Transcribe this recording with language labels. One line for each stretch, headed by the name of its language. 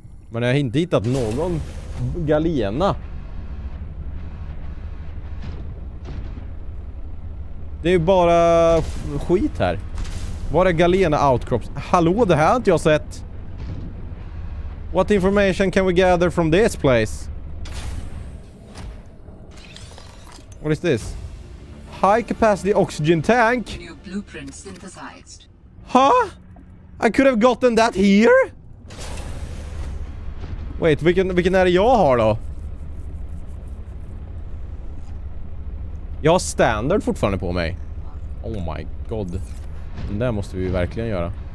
Swedish: Men jag har inte hittat någon galena. Det är ju bara skit här. Var är Galena Outcrops? Hallå, det här har inte jag sett.
English: What information can we gather from this place? What is this? High capacity oxygen tank? New blueprint synthesized. Huh? I could have gotten that here?
Swedish: Wait, vilken är det jag har då? Jag har standard fortfarande på mig.
English: Oh my god.
Swedish: Men det måste vi ju verkligen göra.